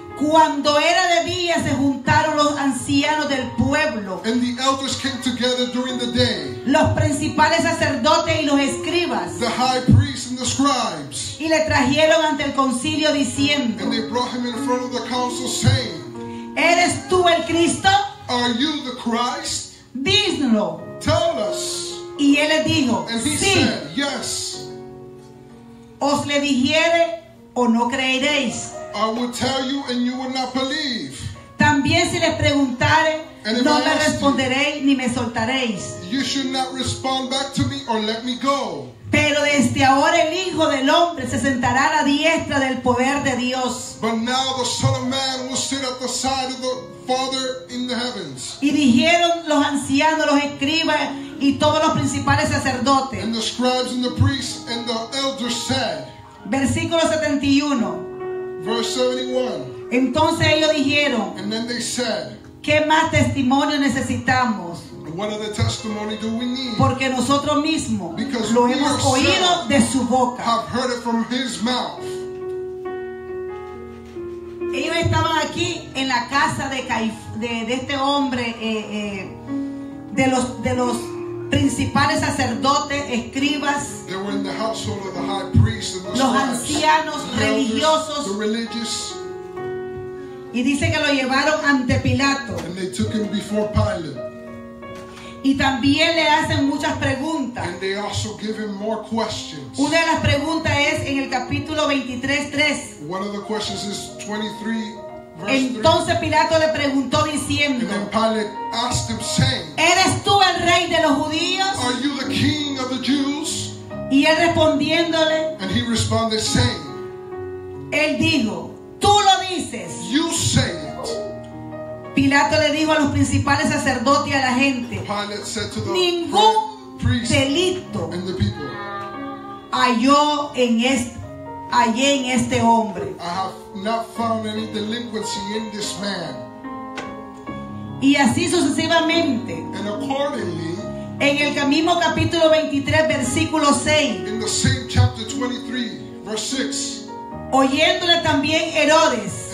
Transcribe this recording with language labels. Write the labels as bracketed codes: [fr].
[es] Cuando era de día se juntaron los ancianos del pueblo. [en] And the elders came together during the day. [es] Los principales sacerdotes y los escribas. [en] The high priests and the scribes. [es] Y le trajeron ante el concilio diciendo. [en] And they brought him in front of the council saying. [es] ¿Eres tú el Cristo? [en] Are you the Christ? [es] Díselo. [en] Tell us. [es] Y él le dijo, [en] and he [es] sí. [en] Said, yes. [es] Os le dijere, o no creeréis. [en] I will tell you and you will not believe. [es] También si les preguntare, no me responderéis ni me soltaréis. [en] You should not respond back to me or let me go. [es] Pero desde ahora el Hijo del Hombre se sentará a la diestra del poder de Dios. [en] But now the Son of Man will sit at the side of the Father in the heavens. [es] Y dijeron los ancianos, los escribas y todos los principales sacerdotes. [en] And the scribes and the priests and the elders said. [es] Versículo 71. [en] Verse 71. [es] Entonces ellos dijeron. [en] And then they said. [es] ¿Qué más testimonio necesitamos? [en] What other testimony do we need? [es] Porque nosotros mismos [en] Because [es] lo hemos oído de su boca. [en] Have heard it from his mouth. [es] Ellos estaban aquí en la casa de este hombre, de los principales sacerdotes, escribas, [en] they were in the household of the high priest and the [es] los ancianos religiosos, [en] the religious, [es] y dice que lo llevaron ante Pilato. [en] And they took him before Pilate. [es] Y también le hacen muchas preguntas. [en] And they also give him more questions. [es] Una de las preguntas es en el capítulo 23:3. [en] One of the questions is 23:3. [es] Entonces Pilato le preguntó diciendo, [en] And then Pilate asked him saying, [es] ¿Eres tú el rey de los judíos? [en] Are you the king of the Jews? [es] Y él respondiéndole, [en] And he responded saying, [es] él dijo, tú lo dices. [en] You say it. [es] Pilato le dijo a los principales sacerdotes y a la gente, ningún delito hallé en este hombre. [en] I have not found any delinquency in this man. [es] Y así sucesivamente. [en] And accordingly, [es] en el mismo capítulo 23, versículo 6. [en] In the same chapter 23, verse 6. [es] Oyéndole también Herodes.